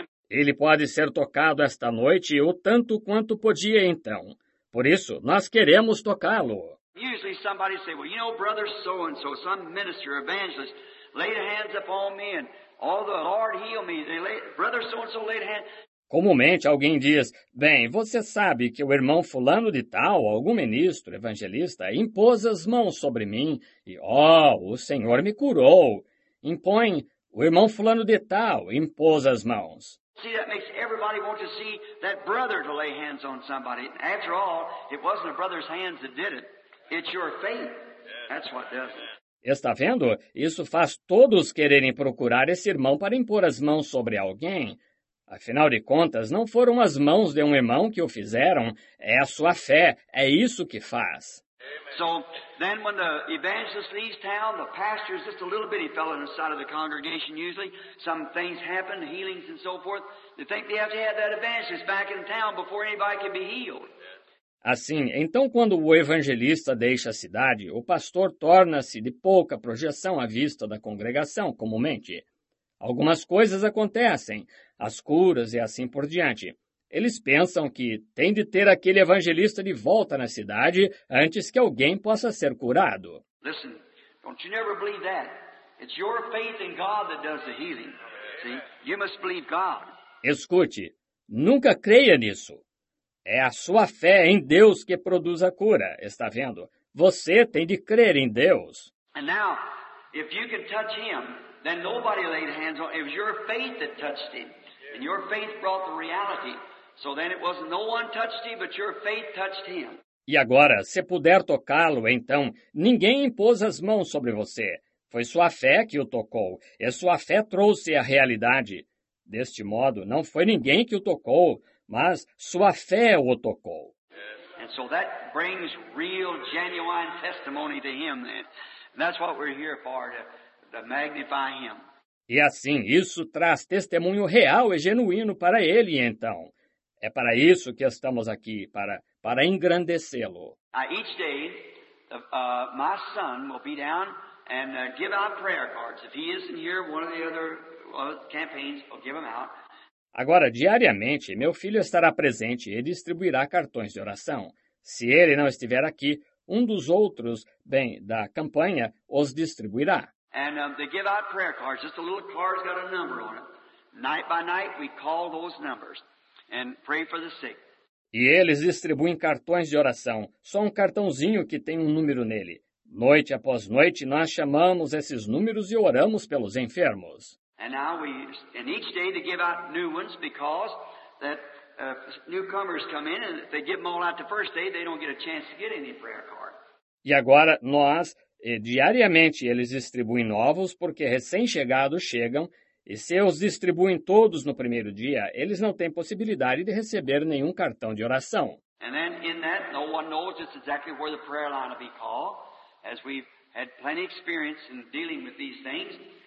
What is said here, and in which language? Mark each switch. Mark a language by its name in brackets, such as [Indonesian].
[Portuguese] Ele pode ser tocado esta noite o tanto quanto podia então. Por isso, nós queremos tocá-lo. [English] Usually somebody say, well, you know, brother so-and-so, some minister, evangelist, laid hands upon me and all the Lord healed me. They laid, brother so-and-so laid hands. [Portuguese] Comumente alguém diz, bem, você sabe que o irmão fulano de tal, algum ministro, evangelista, impôs as mãos sobre mim e, o Senhor me curou. Impõe, o irmão fulano de tal impôs as mãos. [English] See, that makes everybody want to see that brother to lay hands on somebody. After all, it wasn't a brother's hands that did it. It's your faith. That's what does it. [Portuguese] Está vendo? Isso faz todos quererem procurar esse irmão para impor as mãos sobre alguém. Afinal de contas, não foram as mãos de um irmão que o fizeram, é a sua fé, é isso que faz. [English] So, then when the evangelist leaves town, the pastor is just a little bitty fellow on the side of the congregation usually, some things happen, healings and so forth, they think they have to have that evangelist back in town before anybody can be healed. [Portuguese] Assim, então quando o evangelista deixa a cidade, o pastor torna-se de pouca projeção à vista da congregação, comumente. Algumas coisas acontecem, as curas e assim por diante. Eles pensam que tem de ter aquele evangelista de volta na cidade antes que alguém possa ser curado. [English] Listen, don't you never believe that. It's your faith in God that does the healing. See? You must believe God. [Portuguese] Escute, nunca creia nisso. É a sua fé em Deus que produz a cura, está vendo? Você tem de crer em Deus. [English] And now, if you can touch him, then nobody laid hands on him. It was your faith that touched him. And your faith brought the reality. So then it wasn't no one touched him, but your faith touched him. [Portuguese] E agora, se puder tocá-lo, então, ninguém impôs as mãos sobre você. Foi sua fé que o tocou. E sua fé trouxe a realidade. Deste modo, não foi ninguém que o tocou, mas sua fé o tocou. [English] And so that brings real, genuine testimony to him then. That's what we're here for, to magnify him. [Portuguese] E assim, isso traz testemunho real e genuíno para ele, então. É para isso que estamos aqui, para engrandecê-lo. [English] Each day, my son will be down and give out prayer cards. If he isn't here, one of the other campaigns will give them out. [Portuguese] Agora, diariamente, meu filho estará presente e distribuirá cartões de oração. Se ele não estiver aqui, um dos outros, bem, da campanha, os distribuirá. [English] And they give out prayer cards, just a little card's got a number on it. Night by night, we call those numbers and pray for the sick. [Portuguese] E eles distribuem cartões de oração, só um cartãozinho que tem um número nele. Noite após noite, nós chamamos esses números e oramos pelos enfermos. [English] And now and each day they give out new ones because that newcomers come in and if they give them all out the first day, they don't get a chance to get any prayer card. [Portuguese] E agora nós... E diariamente eles distribuem novos porque recém-chegados chegam e se os distribuem todos no primeiro dia, eles não têm possibilidade de receber nenhum cartão de oração. [English] And then in that, no one knows exactly where the prayer line will be called as we had plenty experience in dealing with these things.